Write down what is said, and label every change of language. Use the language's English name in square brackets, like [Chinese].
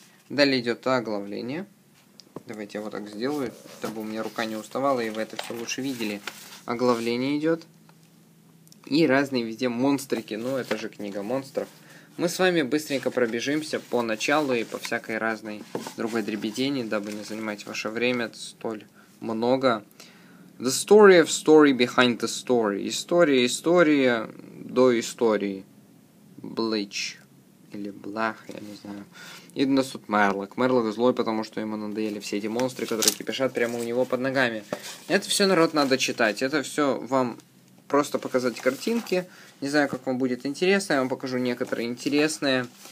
[Russian] Далее идет оглавление. Давайте я вот так сделаю, чтобы у меня рука не уставала, и вы это все лучше видели. Оглавление идет. И разные везде монстрики. Ну, это же книга монстров. Мы с вами быстренько пробежимся по началу и по всякой разной другой дребедени, дабы не занимать ваше время столь много. [English] The story of story behind the story. [Russian] История, история до истории. Bleach. Или Blah, я не знаю. И у нас тут Мерлок. Мерлок злой, потому что ему надоели все эти монстры, которые кипишат прямо у него под ногами. Это все, народ, надо читать. Это все вам... Просто показать картинки. Не знаю, как вам будет интересно. Я вам покажу некоторые интересные.